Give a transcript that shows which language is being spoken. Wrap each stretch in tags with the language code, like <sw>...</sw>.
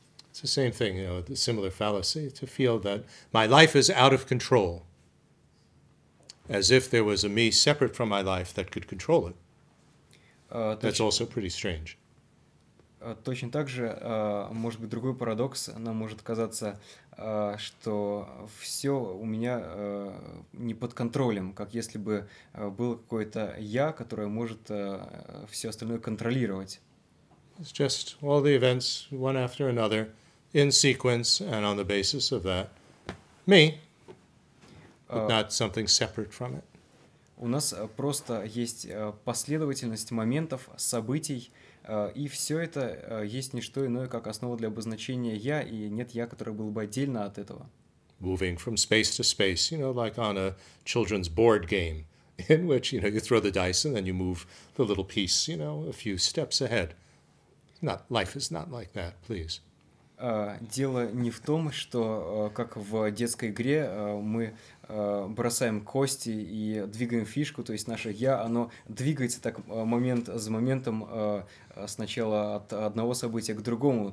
<en>It's the same thing, you know, the similar fallacy, to feel that my life is out of control, as if there was a me separate from my life that could control it. That's also pretty strange.</en> <ru>Точно так же, может быть, другой парадокс, нам может казаться, что все у меня не под контролем, как если бы было какое-то я, которое может все остальное контролировать.</ru> <en>It's just all the events, one after another, in sequence, and on the basis of that, me. But not something separate from it.</en> <ru>У нас просто есть последовательность моментов, событий, и все это есть не что иное, как основа для обозначения «я», и нет «я», которое было бы отдельно от этого.</ru> <en>Moving from space to space, you know, like on a children's board game, in which, you know, you throw the dice and then you move the little piece, you know, a few steps ahead. Not, life is not like that, please.</en> <ru>Дело не в том, что, как в детской игре, мы бросаем кости и двигаем фишку, то есть наше «я», оно двигается так момент за моментом, сначала от одного события к другому.</ru>